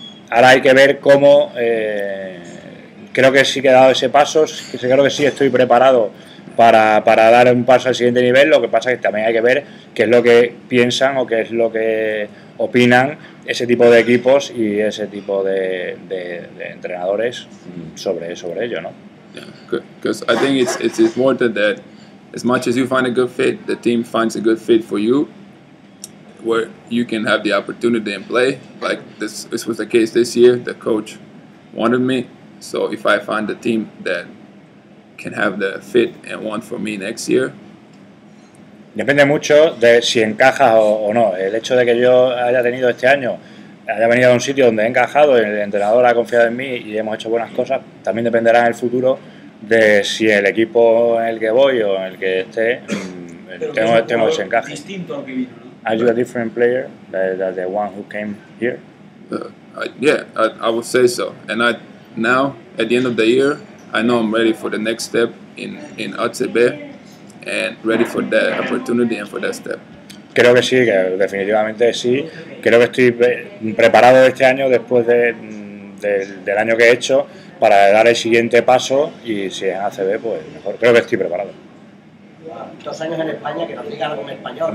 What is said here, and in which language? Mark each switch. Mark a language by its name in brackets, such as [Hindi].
[Spanish] Ahora hay que ver cómo. Creo que sí que he dado ese paso, creo que sí estoy preparado para dar un paso al siguiente nivel. Lo que pasa es que también hay que ver qué es lo que piensan o qué es lo que opinan ese tipo de equipos y ese tipo de entrenadores sobre ello, ¿no? [English] Because I think it's important that as much as you find a good fit, the team finds a good fit for you, where you can have the opportunity and play. Like this was the case this year. The coach wanted me, so if I find a team that can have the fit and want for me next year. [Spanish] Depende mucho de si encajas o no. El hecho de que yo haya tenido este año, haya venido a un sitio donde he encajado, el entrenador ha confiado en mí y hemos hecho buenas cosas, también dependerá en el futuro de si el equipo en el que voy o en el que esté tengo ese encaje. Distinto al que vino, ¿no? [English] Are you a different player than the one who came here? Yeah, I would say so. And I now at the end of the year, I know I'm ready for the next step in OCB and ready for that opportunity and for that step. [Spanish] Creo que sí, que definitivamente sí. Creo que estoy preparado este año después del año que he hecho para dar el siguiente paso y si es en ACB, pues mejor. Creo que estoy preparado. Dos años en España, que nos diga algo en español.